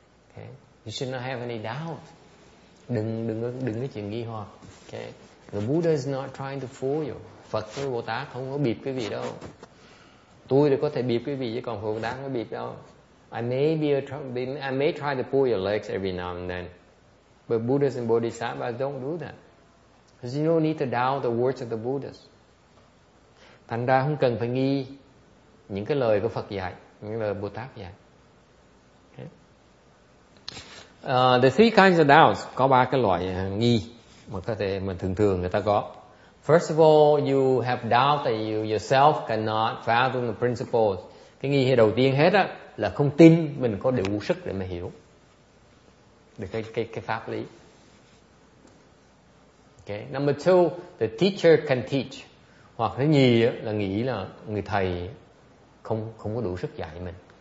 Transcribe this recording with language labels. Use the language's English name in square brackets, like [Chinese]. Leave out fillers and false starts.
[English] Okay, you should not have any doubt. [Vietnamese] Đừng cái chuyện nghi hoặc. [English] Okay, the Buddha is not trying to fool you. [Vietnamese] Phật với Bồ Tát không có bịp cái gì đâu. Tôi thì có thể bịp cái gì chứ còn Phật Bồ Tát không có bịp đâu. [English] I may try to pull your legs every now and then, but Buddhas and Bodhisattvas don't do that. Because you don't need to doubt the words of the Buddhas. [Vietnamese] Thành ra không cần phải nghi những cái lời của Phật dạy, những lời Bồ Tát dạy. [English] Okay. The three kinds of doubts, [Vietnamese] có ba cái loại nghi mà có thể mà thường thường người ta có. [English] First of all, you have doubt that you yourself cannot fathom the principles. [Vietnamese] Cái nghi đầu tiên hết á là không tin mình có đủ sức để mà hiểu được cái pháp lý. [English] Okay. Number two, the teacher can teach. [Vietnamese] Hoặc thứ nhì á là nghĩ là người thầy không có đủ sức dạy mình.